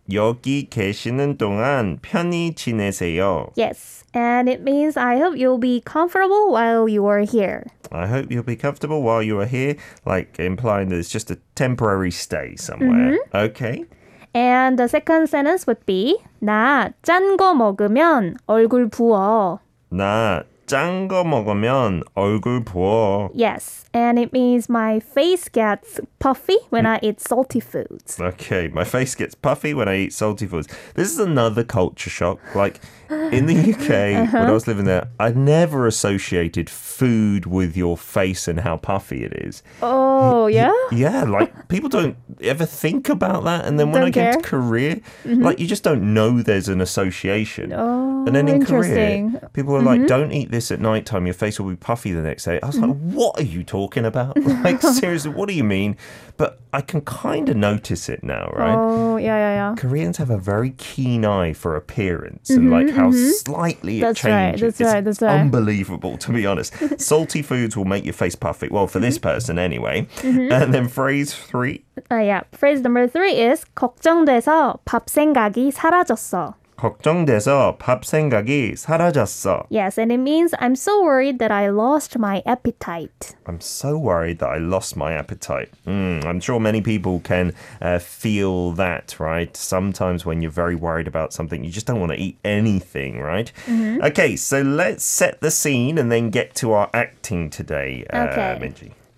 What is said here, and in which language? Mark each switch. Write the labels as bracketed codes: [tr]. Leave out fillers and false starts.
[ko] 여기 계시는 동안 편히 지내세요. [en] Yes, and it means I hope you'll be comfortable while you are here. I hope you'll be comfortable while you are here, like implying that it's just a temporary stay somewhere. Mm-hmm. Okay. And the second sentence would be, [ko] 나 짠 거 먹으면 얼굴 부어. 나 짠 거 먹으면 얼굴 부어. [en] Yes, and it means my face gets puffy when I eat salty foods. Okay, my face gets puffy when I eat salty foods. This is another culture shock. Like, in the UK, when I was living there, I never associated food with your face and how puffy it is. Oh, yeah? Yeah, like, people don't ever think about that. And then when don't I get to Korea, like, you just don't know there's an association. Oh, and then in Korea, people are like, don't eat this at nighttime, your face will be puffy the next day. I was like, what are you talking about? Like, seriously, what do you mean? But I can kind of notice it now, right? Oh, yeah. Koreans have a very keen eye for appearance and like how slightly that's it changes. Right, that's right. Unbelievable, to be honest. Salty foods will make your face puffy. Well, for this person anyway. And then phrase three. Phrase number three is [ko] 걱정돼서 밥 생각이 사라졌어. 걱정돼서 밥 생각이 사라졌어. [en] Yes, and it means I'm so worried that I lost my appetite. I'm so worried that I lost my appetite. I'm sure many people can feel that, right? Sometimes when you're very worried about something, you just don't want to eat anything, right? Okay, so let's set the scene and then get to our acting today, Minji.